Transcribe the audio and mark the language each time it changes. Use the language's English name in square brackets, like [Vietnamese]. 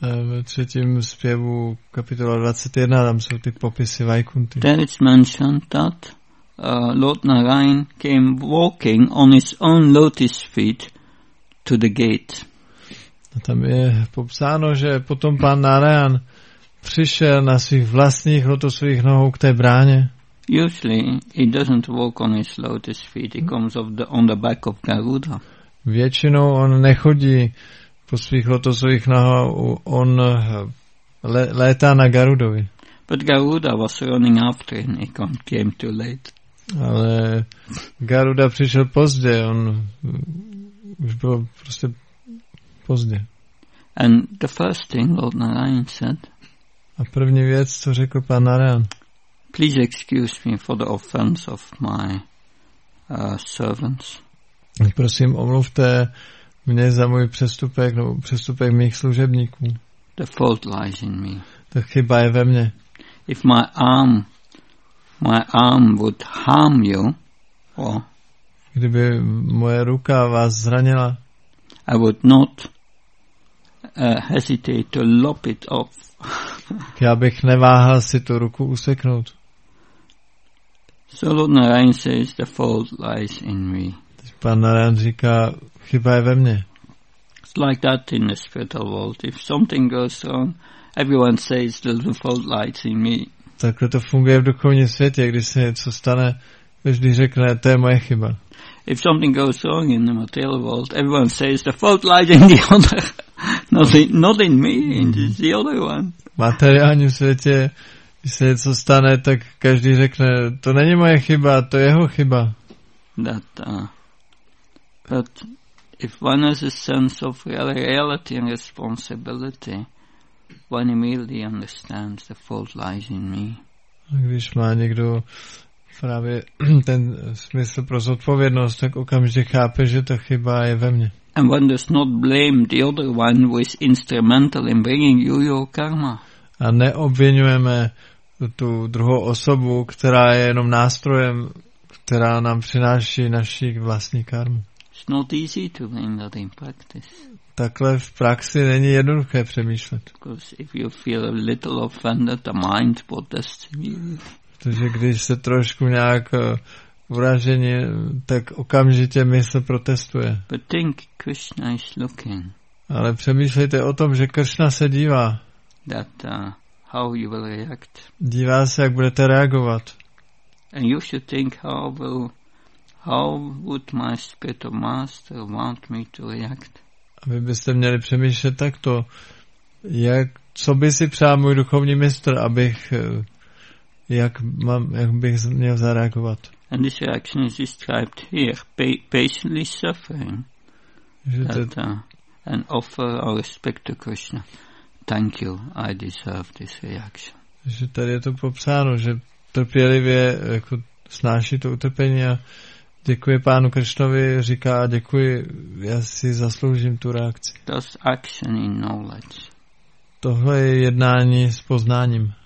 [Czech] Ve třetím zpěvu kapitola 21, tam jsou ty popisy Vaikunty. [English] Then it's mentioned that Lord Narayan came walking on his own lotus feet to the gate. [Czech] A tam je popsáno, že potom pán Narayan přišel na svých vlastních lotusových nohou k té bráně. [English] Usually he doesn't walk on his lotus feet, he comes on the back of Garuda. [Czech] Většinou on nechodí po svých lotosových nohou, on létá na Garudovi. [English] But Garuda was running after him, he came too late. [Czech] Ale Garuda přišel pozdě, on už byl prostě pozdě. [English] And the first thing Lord Narayan said. [Czech] A první věc, co řekl pán Narayan. [English] Please excuse me for the offense of my servants. [Czech] Prosím, omluvte mě za můj přestupek, nebo přestupek mých služebníků. [English] The fault lies in me. [Czech] Ta chyba je ve mně. [English] If my arm would harm you, or [Czech] kdyby moje ruka vás zranila, [English] I would not hesitate to lop it off. [Czech] Já bych neváhal si tu ruku useknout. [English] So Lord Narayan says the fault lies in me. [Czech] Pan Narayan říká, chyba je ve mně. [English] It's like that in the spiritual world. If something goes wrong, everyone says the fault lies in me. [Czech] Takhle to funguje v duchovním světě, když se něco stane, vždy řekne, to je moje chyba. [English] If something goes wrong in the material world, everyone says the fault lies in the other. not in me, in the other one. [Czech] V materiálním světě, když se něco stane, tak každý řekne, to není moje chyba, to je jeho chyba. [English] But if one has a sense of reality and responsibility, one immediately understands the fault lies in me. [Czech] A když má někdo právě ten smysl pro zodpovědnost, tak okamžitě chápe, že ta chyba je ve mně. [English] And one does not blame the other one who is instrumental in bringing you your karma. [Czech] A neobvinujeme tu druhou osobu, která je jenom nástrojem, která nám přináší naši vlastní karmu. [English] It's not easy to bring that in practice. [Czech] Takhle v praxi není jednoduché přemýšlet. [English] Because if you feel a little offended, the mind protests immediately. [Czech] Protože když se trošku nějak uražení, tak okamžitě mysl protestuje. [English] But think Krishna is looking. [Czech] Ale přemýšlejte o tom, že Krishna se dívá. [English] That how you will react. [Czech] Dívá se, jak budete reagovat. [English] And you should think how would my spiritual master want me to react. [Czech] A vy byste měli přemýšlet takto, jak, co by si přál můj duchovní mistr, abych jak bych měl zareagovat. [English] And this reaction is described here, patiently suffering and offer our respect to Krishna. Thank you, I deserve this reaction. [Czech] Že tady je to popsáno, že trpělivě jako snáší to utrpení a Děkuji pánu Krišnovi, říká, děkuji, já si zasloužím tu reakci. [English] Das action in knowledge. [Czech] Tohle je jednání s poznáním.